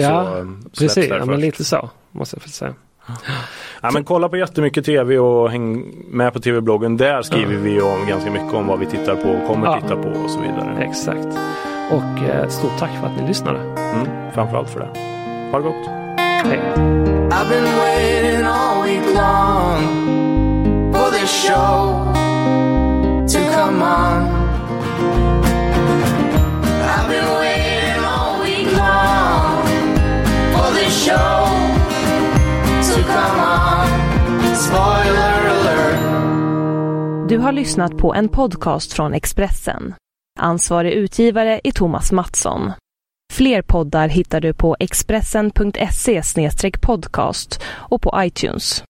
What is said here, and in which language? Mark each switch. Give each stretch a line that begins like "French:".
Swedish: ja, så precis. Ja, men lite så, måste jag säga. Ja, men kolla på jättemycket tv och häng med på tv-bloggen. Där skriver vi om ganska mycket om vad vi tittar på och kommer titta på och så vidare. Exakt. Och stort tack för att ni lyssnade. Mm, framförallt för det. Ha det gott. Hej.
English: I've been waiting all week long for this show to come on. I've been waiting all week long for this show to come on. Spoiler alert.
Swedish: Du har lyssnat på en podcast från Expressen. Ansvarig utgivare är Thomas Mattsson. Fler poddar hittar du på expressen.se/podcast och på iTunes.